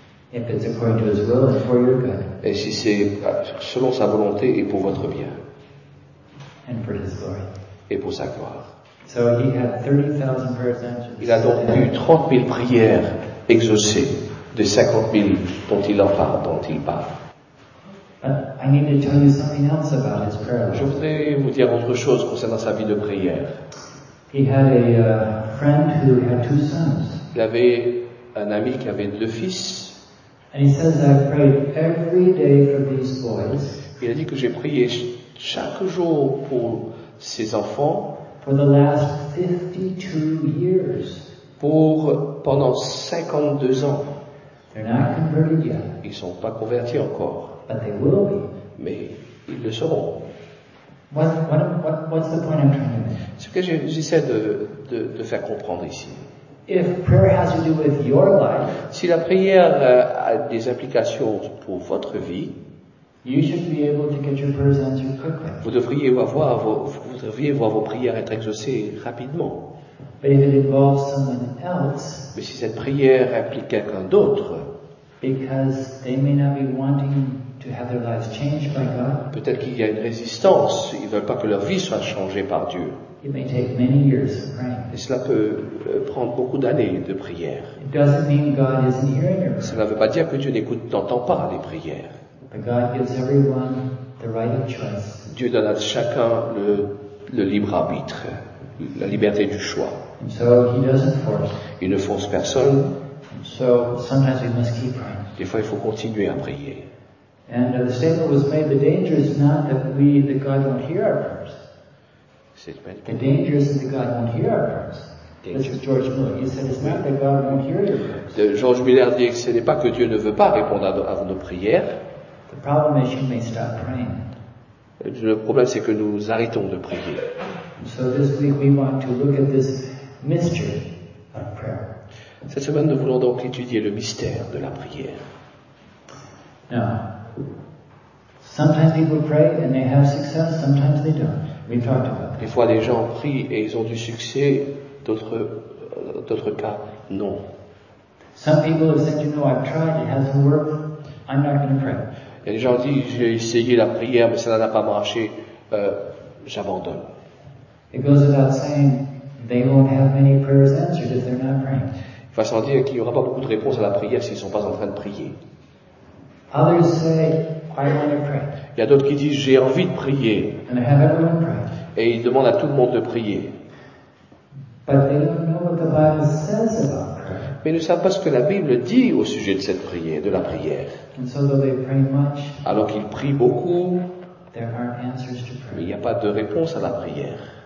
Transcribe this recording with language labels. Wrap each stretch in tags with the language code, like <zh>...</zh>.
<en>If it's according to his will and for your good.</en> <fr>Et si c'est selon sa volonté et pour votre bien.</fr> <en>And for his glory.</en> <fr>Et pour sa gloire.</fr> <en>So he had 30,000 prayers answered.</en> <fr>Il a donc eu 30 000 prières exaucées de 50 000 dont il en parle, dont il parle.</fr> <en>I need to tell you something else about his prayer.</en> <fr>Je voudrais vous dire autre chose concernant sa vie de prière.</fr> <en>He had a friend who had two sons.</en> <fr>Il avait un ami qui avait deux fils.</fr> <en>And he says, I prayed every day for these boys.</en> <fr>Il a dit que j'ai prié chaque jour pour ces enfants.</fr> <en>For the last 52 years.</en> <fr>Pendant 52 ans.</fr> <en>They're not converted yet.</en> <fr>Ils sont pas convertis encore.</fr> <en>But they will be.</en> <fr>Mais ils le seront.</fr> <en>What's the point I'm trying to make?</en> <fr>Ce que j'essaie de faire comprendre ici.</fr> <en>If prayer has to do with your life,</en> <fr>si la prière a des implications pour votre vie,</fr> <en>you should be able to get your prayers answered quickly.</en> <fr>Vous devriez voir vos prières être exaucées rapidement.</fr> <en>But if it involves someone else,</en> <fr>mais si cette prière implique quelqu'un d'autre,</fr> <en>because they may not be wanting to have their lives changed by God,</en> <fr>peut-être qu'il y a une résistance, ils ne veulent pas que leur vie soit changée par Dieu.</fr> <en>It may take many years of praying.</en> <fr>Et cela peut prendre beaucoup d'années de prière.</fr> <en>It doesn't mean God isn't hearing your prayer.</en> <fr>Ça ne veut pas dire que Dieu n'écoute, n'entend pas les prières.</fr> <en>But God gives everyone the right of choice.</en> <fr>Dieu donne à chacun le libre arbitre, la liberté du choix.</fr> <en>And so he doesn't force.</en> <fr>Il ne force personne.</fr> <en>And so sometimes we must keep praying.</en> <fr>Des fois, il faut continuer à prier.</fr> <en>And the statement was made, the danger is not that we, that God won't hear our prayers. The danger is that God won't hear our prayers. This is George Miller. He said it's not that God won't hear your prayers.</en> <fr>George Miller dit que ce n'est pas que Dieu ne veut pas répondre à nos prières.</fr> <en>The problem is you may stop praying.</en> <fr>Le problème, c'est que nous arrêtons de prier.</fr> <en>So this week we want to look at this mystery of prayer.</en> <fr>Cette semaine, nous voulons donc étudier le mystère de la prière.</fr> <en>Now, sometimes people pray and they have success, sometimes they don't. We've talked about that.</en> <fr>Des fois, les gens prient et ils ont du succès, d'autres cas, non.</fr> <en>Some people have said, you know, I've tried, it hasn't worked, I'm not going to pray.</en> <fr>Et les gens disent, j'ai essayé la prière, mais ça n'a pas marché, j'abandonne.</fr> <en>It goes without saying, they won't have many prayers answered if they're not praying.</en> <fr>Il va sans dire qu'il n'y aura pas beaucoup de réponses à la prière s'ils ne sont pas en train de prier.</fr> <en>Others say, I want to pray.</en> <fr>Il y a d'autres qui disent, j'ai envie de prier.</fr> <en>And I have everyone pray.</en> <fr>Et ils demandent à tout le monde de prier.</fr> <en>But they don't know what the Bible says about prayer.</en> <fr>Mais ils ne savent pas ce que la Bible dit au sujet de cette prière, de la prière.</fr> <en>And so though they pray much,</en> <fr>alors qu'ils prient beaucoup,</fr> <en>there aren't answers to prayer.</en> <fr>Mais il n'y a pas de réponse à la prière.</fr>